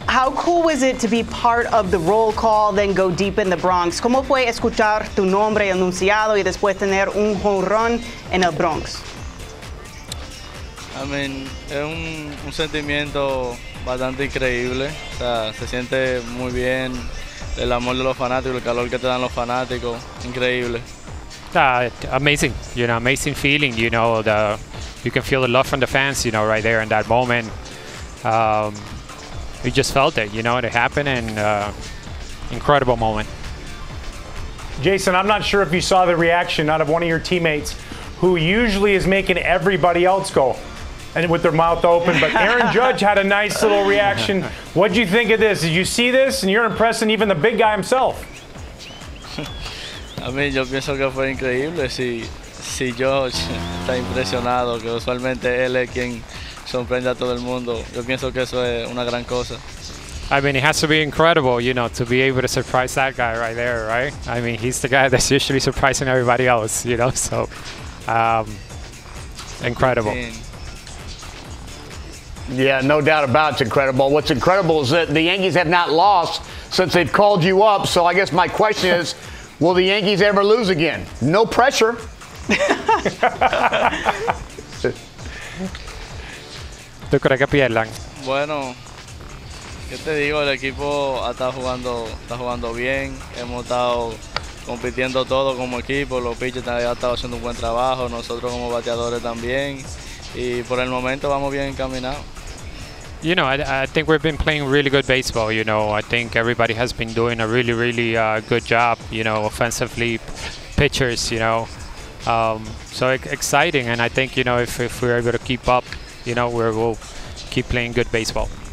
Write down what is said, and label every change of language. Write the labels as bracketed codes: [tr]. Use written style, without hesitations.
[en] How cool was it to be part of the roll call, then go deep in the Bronx? [es] ¿Cómo fue escuchar tu nombre anunciado y después tener un jonrón en el Bronx? [en] I mean, [es] es un sentimiento bastante increíble. O sea, se siente muy bien el amor de los fanáticos, el calor que te dan los fanáticos. Increíble. [en] Amazing. You know, amazing feeling. You know, you can feel the love from the fans, you know, right there in that moment. You just felt it, you know, it happened, and incredible moment. Jasson, I'm not sure if you saw the reaction out of one of your teammates who usually is making everybody else go and with their mouth open, but Aaron Judge had a nice little reaction. What'd you think of this? Did you see this? And you're impressing even the big guy himself. I mean, [es] yo pienso que fue increíble. Si Judge está impresionado, que usualmente él es quien sorprende a todo el mundo, yo pienso que eso es una gran cosa. [en] I mean, it has to be incredible, you know, to be able to surprise that guy right there, right? I mean, he's the guy that's usually surprising everybody else, you know, so incredible. Yeah, no doubt about it's incredible. What's incredible is that the Yankees have not lost since they've called you up. So I guess my question is, will the Yankees ever lose again? No pressure. [es] ¿Tú crees que pierdan? Bueno, yo te digo, el equipo está jugando bien. Hemos estado compitiendo todo como equipo. Los pitchers han estado haciendo un buen trabajo. Nosotros como bateadores también. Y por el momento vamos bien encaminados. [en] You know, I think we've been playing really good baseball, you know. I think everybody has been doing a really, really good job, you know, offensively, pitchers, you know. So exciting, and I think, you know, if we're able to keep up, you know, we'll keep playing good baseball.